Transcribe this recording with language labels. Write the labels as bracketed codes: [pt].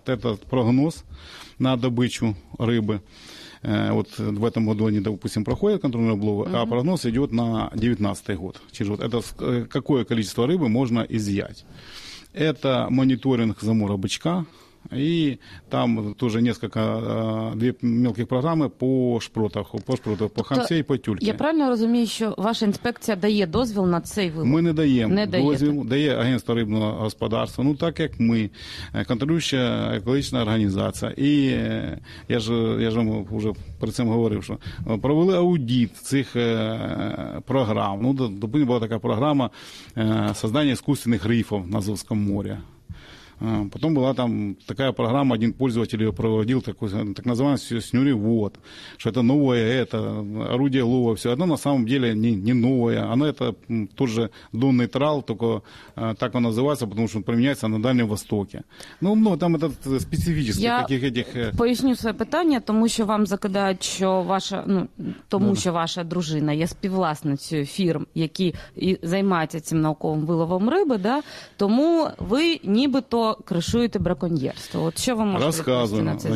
[ru] Этот прогноз на добычу рыбы, вот в этом году они, допустим, проходят контрольные облавы, а прогноз идет на 2019 год. Через вот это какое количество рыбы можно изъять. Это мониторинг замора бычка, и там тоже несколько, две мелких программы по шпротах, по хамсе и по тюльке. [uk] Я правильно розумію, що ваша інспекція дає дозвіл на цей вилов? Ми не даємо дозвіл, дає агентство рибного господарства, ну так як ми, контролююча екологічна організація. І я ж вам вже перед цим говорив, що провели аудит цих програм. Ну, допустим, була така програма створення іскусственних рифів на Азовському морі. [ru] Потом была там такая программа, один пользователь ее проводил, такой, так называемый снюревод, что это новое, это орудие лова, все. Оно на самом деле не новое, оно это тот же донный трал, только так он называется, потому что он применяется на Дальнем Востоке. Ну, там это специфически таких этих... [uk] Я поясню свое питание, тому що вам закидають, що ваша, що ваша дружина є співвласницею фірм, які займаються цим науковим виловом риби, да? Тому ви нібито кришуєте браконьєрство. От що ви можете розповісти на це?